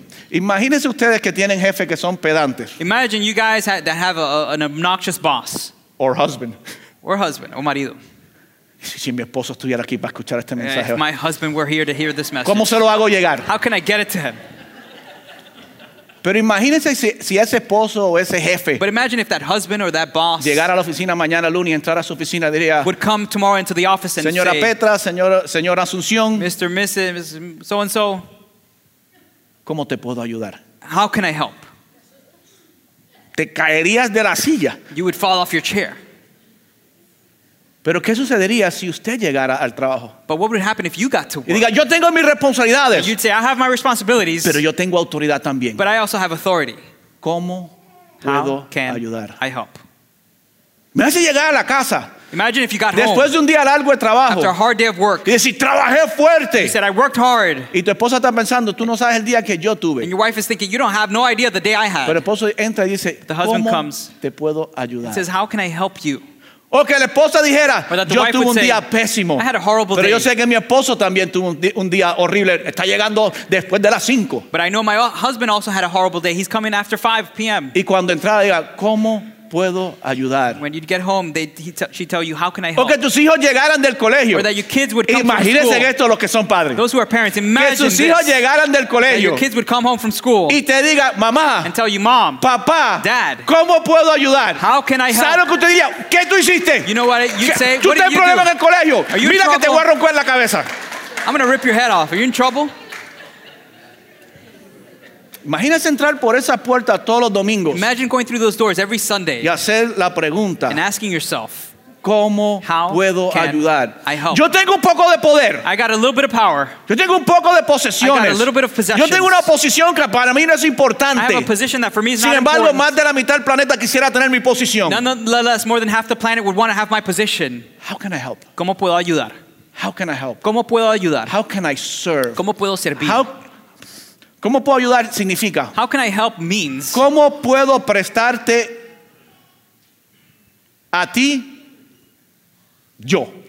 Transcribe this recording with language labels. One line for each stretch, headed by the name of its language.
Spanish: Imagínense ustedes que tienen jefes que son pedantes.
English: Imagine you guys that have an obnoxious boss. Or husband. Or husband,
Spanish: o marido. Si mi esposo estuviera aquí para escuchar este mensaje.
English: If my husband were here to hear this message.
Spanish: ¿Cómo se lo hago llegar?
English: How can I get it to him?
Spanish: Pero imagínense si ese esposo o ese jefe.
English: But imagine if that husband or that boss
Spanish: llegara a la oficina mañana lunes y entrara a su oficina diría.
English: Would come tomorrow into the office and
Spanish: señora
English: say.
Spanish: Señora Petra, señora Asunción.
English: Mr. Mrs. So and so.
Spanish: ¿Cómo te puedo ayudar?
English: How can I help?
Spanish: Te caerías de la silla.
English: You would fall off your chair.
Spanish: Pero qué sucedería si usted llegara al trabajo?
English: But what would happen if you got to work?
Spanish: Y diga, yo tengo mis responsabilidades.
English: You'd say, I have my responsibilities.
Spanish: Pero yo tengo autoridad también.
English: But I also have authority.
Spanish: ¿Cómo puedo ayudar?
English: How can I help?
Spanish: Me hace llegar a la casa.
English: Imagine if you got
Spanish: después
English: home.
Spanish: De un día largo de trabajo.
English: After a hard day of work.
Spanish: Y si trabajé fuerte.
English: You said, I worked hard.
Spanish: Y tu esposa está pensando, tú no sabes el día que yo tuve.
English: And your wife is thinking, you don't have no idea the day I had.
Spanish: Pero el esposo entra y dice,
English: the husband
Spanish: ¿cómo
English: comes,
Spanish: te puedo ayudar?
English: He says, how can I help you?
Spanish: O que la esposa dijera, yo tuve un
English: say,
Spanish: día pésimo.
English: I had a horrible
Spanish: pero
English: day.
Spanish: Yo sé que mi esposo también tuvo un día horrible. Está llegando después de las 5.
English: But I know my husband also had a horrible day. He's coming after 5 p.m.
Spanish: Y cuando entraba, diga, ¿cómo puedo ayudar?
English: When you'd get home, she'd tell you, how can I help?
Spanish: O que tus hijos llegaran del colegio.
English: Or that your kids would come
Spanish: imagínense
English: from school.
Spanish: Esto los que son padres.
English: Those who are parents, imagine
Spanish: que sus
English: this.
Spanish: Hijos llegaran del colegio.
English: That your kids would come home from school.
Spanish: Y te diga, mamá.
English: And tell you, mom.
Spanish: Papá.
English: Dad.
Spanish: ¿Cómo puedo ayudar?
English: How can I help?
Spanish: ¿Sabes lo que usted diría? ¿Qué tú hiciste?
English: You know what you'd say?
Spanish: ¿Tú
English: what
Spanish: tienes problema en el colegio? Mira que te voy a romper la cabeza.
English: I'm going to rip your head off. Are you in trouble?
Spanish: Imagínese entrar por esa puerta todos los domingos.
English: Imagine going through those doors every Sunday.
Spanish: Y hacer la pregunta.
English: And asking yourself,
Spanish: ¿cómo
English: how
Spanish: puedo
English: can
Spanish: ayudar?
English: I help?
Spanish: Yo tengo un poco de poder.
English: I got a little bit of power.
Spanish: Yo tengo un poco de posesiones.
English: I got a little bit of possessions.
Spanish: Yo tengo una posición que para mí no es importante.
English: I have a position that for me is
Spanish: sin
English: not
Spanish: embargo,
English: important.
Spanish: Más de la mitad del planeta quisiera tener mi posición.
English: Nonetheless, more than half the planet would want to have my position. How can I help?
Spanish: ¿Cómo puedo ayudar?
English: How can I help?
Spanish: ¿Cómo puedo ayudar?
English: How can I serve?
Spanish: ¿Cómo puedo servir? ¿Cómo puedo ayudar significa?
English: How can I help means?
Spanish: ¿Cómo puedo prestarte a ti yo?